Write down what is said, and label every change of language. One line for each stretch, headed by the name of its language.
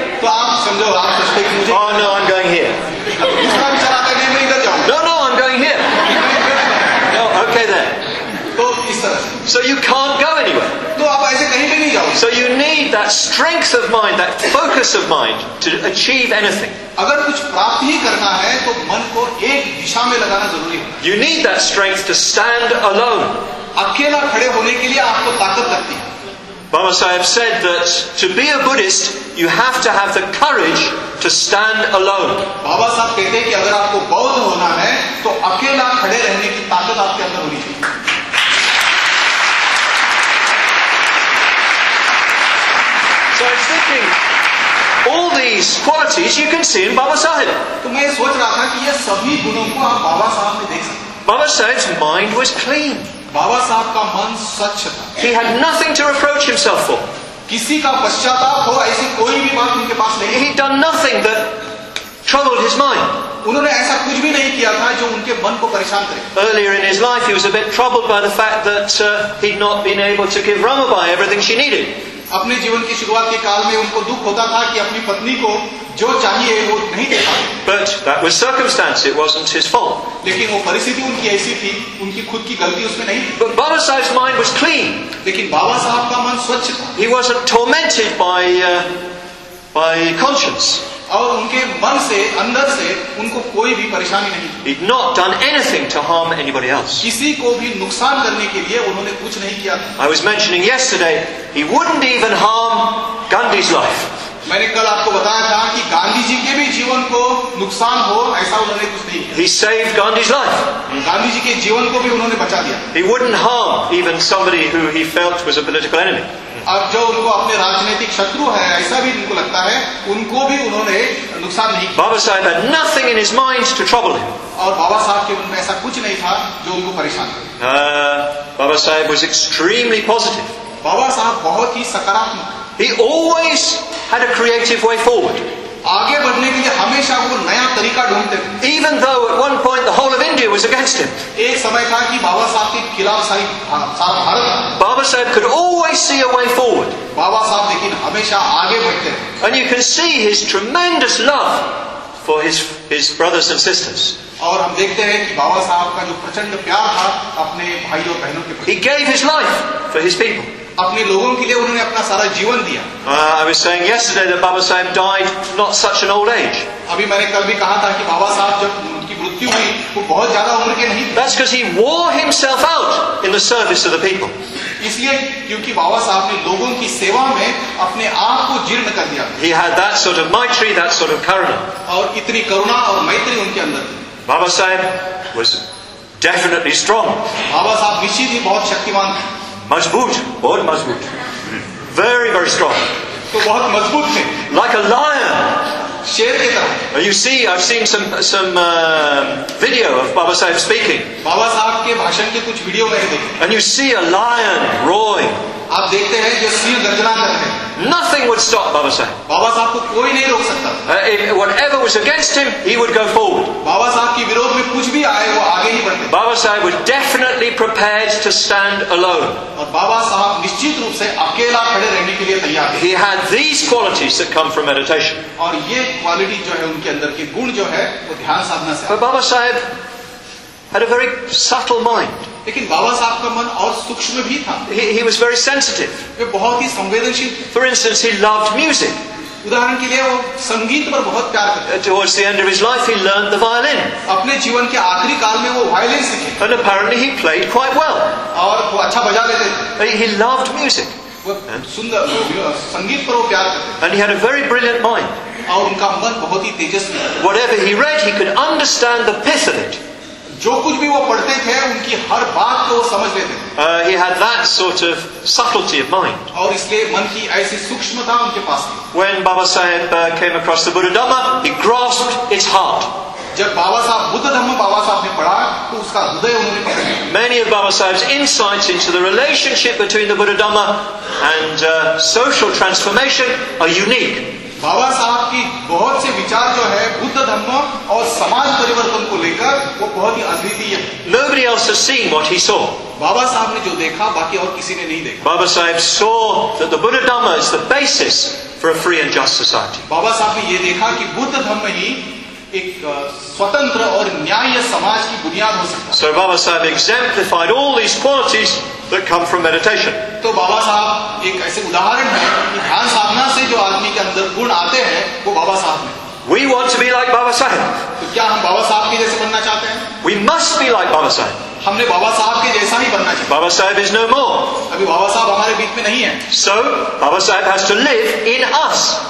Hindi: तो आप समझो आप सोचते हैं मुझे.
English: Oh no, I'm going here.
Hindi: दूसरा विचार आता है मैं इधर जाऊँ.
English: No, I'm going here. No, okay then.
Hindi: तो इस तरह.
English: So you can't go anywhere.
Hindi: तो आप ऐसे कहीं भी नहीं जाओ.
English: So you need that strength of mind, that focus of mind to achieve anything.
Hindi: अगर कुछ प्राप्त ही करना है तो मन को एक दिशा में लगाना जरूरी है.
English: You need that strength to stand alone.
Hindi: अकेला खड़े होने के लिए आपको ताकत लगती है.
English: Baba Sahib said that to be a Buddhist, you have to have the courage to stand alone.
Hindi: Baba Sahib कहते हैं कि अगर आपको बौद्ध होना है, तो अकेला खड़े रहने की ताकत आपके अंदर होनी चाहिए.
English: So I'm thinking, all these qualities you can see in Baba Sahib.
Hindi: तो मैं सोच रहा था कि ये सभी गुणों को आप बाबा साहब में देख सकते.
English: Baba Sahib's mind was clean.
Hindi: बाबा साहब का मन स्वच्छ था.
English: He had nothing to reproach himself for.
Hindi: किसी का पश्चाताप हो ऐसी कोई भी बात उनके पास नहीं.
English: He done nothing that troubled his mind.
Hindi: उन्होंने ऐसा कुछ भी नहीं किया था जो उनके मन को परेशान करे.
English: Earlier in his life, he was a bit troubled by the fact that he'd not been able to give Ramabai everything she needed.
Hindi: अपने जीवन की शुरुआत के काल में उनको दुख होता था कि अपनी पत्नी को जो चाहिए वो नहीं दे पाए.
English: But that was circumstance, it wasn't his fault.
Hindi: लेकिन वो परिस्थिति उनकी ऐसी थी, उनकी खुद की गलती उसमें नहीं.
English: But Baba Sahib's mind was clean.
Hindi: लेकिन बाबा साहब का मन स्वच्छ था.
English: He wasn't tormented by conscience.
Hindi: और उनके मन से अंदर से उनको कोई भी परेशानी नहीं.
English: He'd not done anything to harm anybody else.
Hindi: किसी को भी नुकसान करने के लिए उन्होंने कुछ नहीं किया.
English: I was mentioning yesterday, he wouldn't even harm Gandhi's life.
Hindi: मैंने कल आपको बताया था कि गांधी जी के भी जीवन को नुकसान हो ऐसा उन्होंने कुछ नहीं.
English: He saved Gandhi's life.
Hindi: Gandhi ji के जीवन को भी उन्होंने बचा दिया.
English: He wouldn't harm even somebody who he felt was a political enemy.
Hindi: अब जो उनको अपने राजनीतिक शत्रु है ऐसा भी उनको लगता है उनको भी उन्होंने नुकसान नहीं.
English: Babasaheb had nothing in his mind to trouble him.
Hindi: और बाबा साहब के मन में ऐसा कुछ नहीं था जो उनको परेशान करे.
English: Babasaheb was extremely positive.
Hindi: बाबा साहब बहुत ही सकारात्मक.
English: He always had a creative way forward.
Hindi: आगे बढ़ने के लिए हमेशा वो नया तरीका ढूंढते थे.
English: Even though at one point the whole of India was against him.
Hindi: एक समय था कि बाबा साहब के खिलाफ सारी सारा भारत.
English: Babasaheb could always see a way forward.
Hindi: बाबा साहब लेकिन हमेशा आगे बढ़ते.
English: And you can see his tremendous love for his brothers and sisters.
Hindi: और हम देखते हैं कि बाबा साहब का जो प्रचंड प्यार था अपने भाई और बहनों के प्रति.
English: He gave his life for his people.
Hindi: अपने लोगों के लिए उन्होंने अपना सारा जीवन दिया.
English: I was saying yesterday that Baba Sahib died not such an old age.
Hindi: अभी मैंने कल भी कहा था कि बाबा साहब जब उनकी मृत्यु हुई वो बहुत ज्यादा उम्र के नहीं.
English: That's because he wore himself out in the service of the people.
Hindi: इसलिए क्योंकि बाबा साहब ने लोगों की सेवा में अपने आप को जीर्ण कर दिया.
English: He had that sort of maitri, that sort of karuna.
Hindi: और इतनी करुणा और मैत्री उनके अंदर थी.
English: Baba Sahib was definitely strong.
Hindi: बाबा साहब निश्चित ही बहुत शक्तिमान थे. मजबूत, बहुत मजबूत.
English: Very, very strong.
Hindi: तो बहुत मजबूत थे.
English: Like a lion.
Hindi: शेर की तरह.
English: You see, I've seen some video of Baba Sahib speaking.
Hindi: Baba Sahib ke bhashan ke kuch video maine dekhe.
English: And you see a lion roaring.
Hindi: आप देखते हैं जो सिंह गर्जना कर रहे हैं.
English: Nothing would stop Baba Sahib.
Hindi: Baba Sahib को कोई नहीं रोक सकता.
English: Whatever was against him, he would go forward.
Hindi: Baba Sahib की विरोध में कुछ भी आए, वो आगे ही बढ़ते.
English: Baba Sahib was definitely prepared to stand alone.
Hindi: और Baba Sahib निश्चित रूप से अकेला खड़े रहने के लिए तैयार थे.
English: He had these qualities that come from meditation.
Hindi: और ये क्वालिटी जो है उनके अंदर के गुण जो है वो ध्यान साधना से.
English: But Baba Sahib had a very subtle mind.
Hindi: लेकिन बाबा साहब का मन और सूक्ष्म भी था.
English: He was very sensitive.
Hindi: वे बहुत ही संवेदनशील.
English: For instance, he loved music.
Hindi: उदाहरण के लिए वो संगीत पर बहुत प्यार करते.
English: Towards the end of his life, he learned the violin.
Hindi: अपने जीवन के आखिरी काल में वो वायलिन सीखे.
English: And apparently he played quite well.
Hindi: और वो अच्छा बजा लेते.
English: He loved music.
Hindi: सुंदर संगीत पर वो प्यार करते.
English: And he had a very brilliant mind.
Hindi: और उनका मन बहुत ही तेजस्वी.
English: Whatever he read, he could understand the pith of it.
Hindi: जो कुछ भी वो पढ़ते थे उनकी हर बात को वो समझ लेते.
English: He had that sort of subtlety of mind.
Hindi: और इसलिए मन की ऐसी सूक्ष्मता उनके पास थी.
English: When Baba Sahib came across the Buddha Dhamma, he grasped its heart.
Hindi: जब बाबा साहब बुद्ध धम्म बाबा साहब ने पढ़ा तो उसका हृदय उन्होंने पकड़ लिया.
English: Many of Baba Sahib's insights into the relationship between the Buddha Dhamma and social transformation are unique.
Hindi: बाबा साहब की बहुत से विचार जो है बुद्ध धर्म और समाज परिवर्तन को लेकर वो बहुत ही अद्वितीय है.
English: Nobody else has seen what he saw.
Hindi: बाबा साहब ने जो देखा बाकी और किसी ने नहीं देखा.
English: Baba Sahib saw that the Buddha Dhamma is the basis for a free and just society.
Hindi: बाबा साहब ने ये देखा कि बुद्ध धर्म ही एक स्वतंत्र और न्याय समाज की बुनियाद हो सकता है.
English: So Baba Sahib exemplified all these qualities that come from meditation.
Hindi: तो बाबा साहब एक ऐसे उदाहरण है कि ध्यान साधना से जो आदमी के अंदर गुण आते हैं वो बाबा साहब में.
English: We want to be like Baba Sahib.
Hindi: तो क्या हम बाबा साहब के जैसे बनना चाहते हैं?
English: We must be like Baba Sahib.
Hindi: हमने बाबा साहब के जैसा ही बनना चाहिए.
English: Baba Sahib is no more.
Hindi: अभी बाबा साहब हमारे बीच में नहीं है.
English: So Baba Sahib has to live in us.